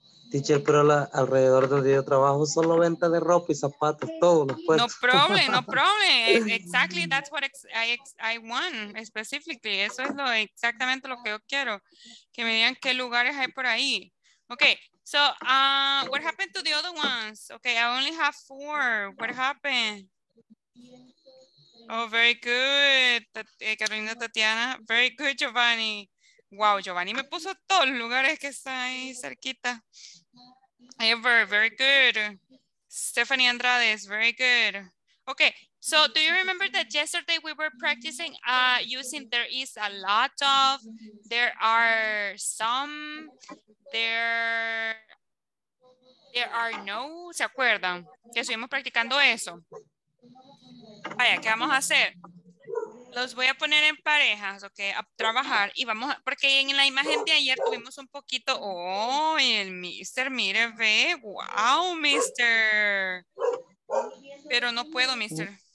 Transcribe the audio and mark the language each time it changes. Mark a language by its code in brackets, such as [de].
[es] Teacher, pero la, alrededor del día de trabajo solo venta de ropa y zapatos, todo lo puesto. [en] No problem, no problem. Exactly, that's what I want specifically. [es] Eso es lo, exactamente lo que yo quiero. Que me digan qué lugares hay por ahí. [en] Okay, so what happened to the other ones? Okay, I only have four. What happened? Oh, very good, Carolina, Tatiana. Very good, Giovanni. [es] Wow, Giovanni me puso todos los lugares que están ahí cerquita. [en] Ever, very good. Stephanie Andrade, very good. Okay, so do you remember that yesterday we were practicing using there is a lot of, there are some, there are no, [es] ¿se acuerdan? Que estuvimos practicando eso. Vaya, ¿qué vamos a hacer? Los voy a poner en parejas, ok, a trabajar y vamos, a, porque en la imagen de ayer tuvimos un poquito, oh, el mister, mire, ve, wow, mister. Pero no puedo, mister.